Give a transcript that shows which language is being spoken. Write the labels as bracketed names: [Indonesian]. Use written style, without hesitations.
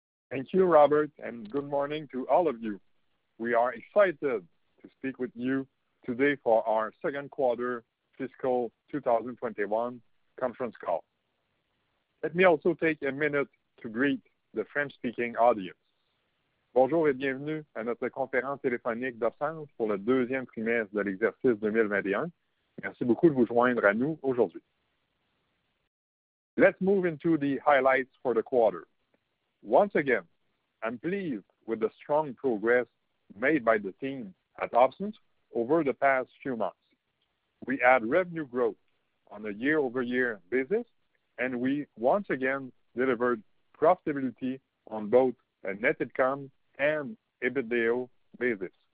[English] Thank you, Robert, and good morning to all of you. We are excited to speak with you today for our second quarter fiscal 2021 conference call. Let me also take a minute to greet the French-speaking audience. [French] Bonjour et bienvenue à notre conférence téléphonique d'Opsens pour le deuxième trimestre de l'exercice 2021. Merci beaucoup de vous joindre à nous aujourd'hui. [English] Let's move into the highlights for the quarter. Once again, I'm pleased with the strong progress made by the team at Opsens over the past few months. We had revenue growth on a year-over-year basis, and we once again delivered profitability on both a net income and EBITDA basis.